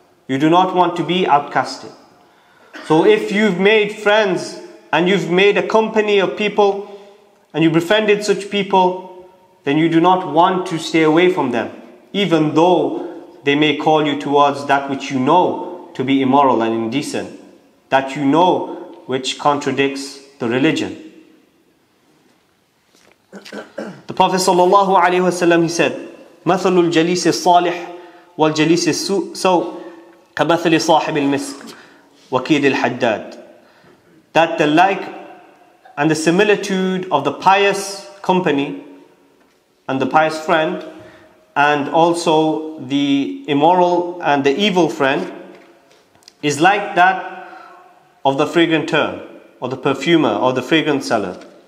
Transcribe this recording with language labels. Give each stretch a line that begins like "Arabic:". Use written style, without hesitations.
English: You do not want to be outcasted. So if you've made friends and you've made a company of people and you befriended such people, then you do not want to stay away from them, even though they may call you towards that which you know to be immoral and indecent, that you know which contradicts the religion. The Prophet
Arabic: sallallahu alaihi wasallam,
English: he said,
Arabic: مثل الجليس الصالح والجليس السوء سوء كمثل صاحب المسك وكيد الحداد.
English: That the like and the similitude of the pious company and the pious friend, and also the immoral and the evil friend, is like that of the fragranteur or the perfumer or the fragrant seller.